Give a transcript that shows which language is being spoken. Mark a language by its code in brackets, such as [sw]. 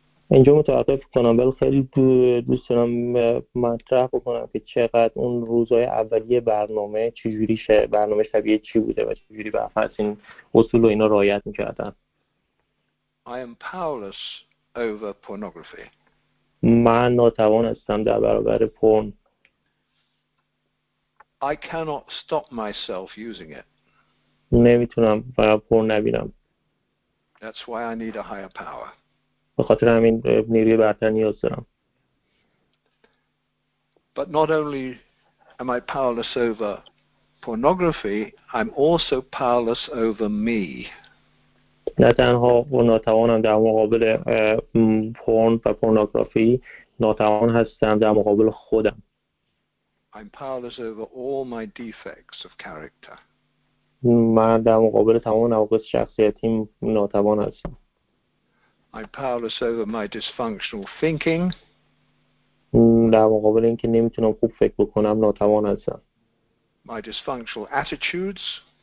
[fa] اینجا متوقف کنم، ولی خیلی دوست دارم مطرح بکنم که چقدر اون روزهای اولیه برنامه چجوری برنامه شبیه چی بوده و چجوری به اساس این اصول و اینا رعایت می‌کردن. [en] I am powerless over pornography. [fa] من ناتوان هستم در برابر پورن. [en] I cannot stop myself using it. [fa] نمیتونم پورن نبینم. [en] That's why I need a higher power. [fa] به خاطر همین نیروی برتر نیاز دارم. [en] But not only am I powerless over pornography, I'm also powerless over me. [fa] نه تنها ناتوانم در مقابل پورن و پورنوگرافی، ناتوان هستم در مقابل خودم. [en] I'm powerless over all my defects of character. [fa] من در مقابل تمام نواقص شخصیتی ناتوان هستم. [en] I'm powerless over my dysfunctional thinking. [fa] در مقابل اینکه نمیتونم خوب فکر بکنم ناتوان هستم. [en] My dysfunctional attitudes.